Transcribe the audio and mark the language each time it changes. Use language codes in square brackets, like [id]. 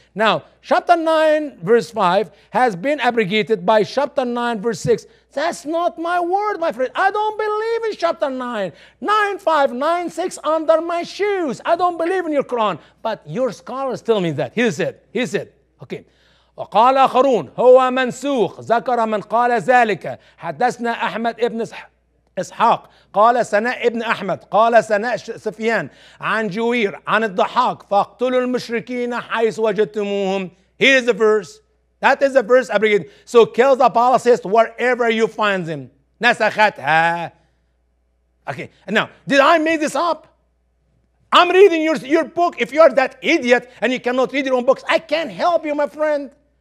[en] Now, chapter 9, verse 5 has been abrogated by chapter 9, verse 6. That's not my word, my friend. I don't believe in chapter 9. 9, 5, 9, 6 under my shoes. I don't believe in your Quran. But your scholars tell me that. He said, okay. [ar] وقال آخرون هو منسوخ ذكر من قال ذلك حدثنا أحمد ابن إسحاق قال سناء ابن أحمد قال سناء سفيان عن جوير عن الضحاك فاقتلوا المشركين حيث وجدتموهم. [en] Here is the verse. That is the verse abrogated. So kill the apologists wherever you find them. [ar] نسختها. [en] Okay. Now, did I make this up? I'm reading your book. If you are that idiot and you cannot read your own books, I can't help you, my friend.